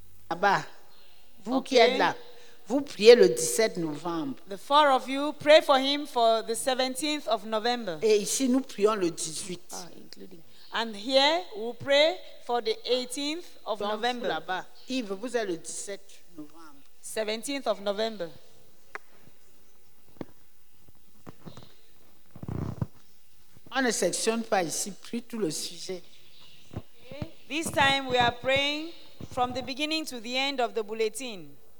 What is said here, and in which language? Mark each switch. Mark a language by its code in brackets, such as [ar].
[fr] là-bas, vous qui êtes là, vous priez le 17 novembre. [en] The four of you pray for him for the 17th of November. [fr] Et ici, nous prions le 18. [en] And here, we pray for the 18th of November. [fr] Yves, vous êtes le 17 novembre. [en] 17th of November. [fr] On ne sectionne pas ici, prie tout le sujet. [en] This time, we are praying from the beginning to the end of the bulletin.